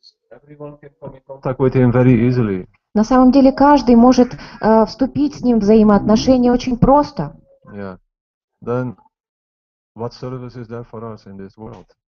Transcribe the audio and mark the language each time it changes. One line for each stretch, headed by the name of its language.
English: Everyone can come in contact with him very easily.
Russian: На самом деле каждый может вступить с ним в взаимоотношения очень просто.
English: Yeah. Then what service is there for us in this world?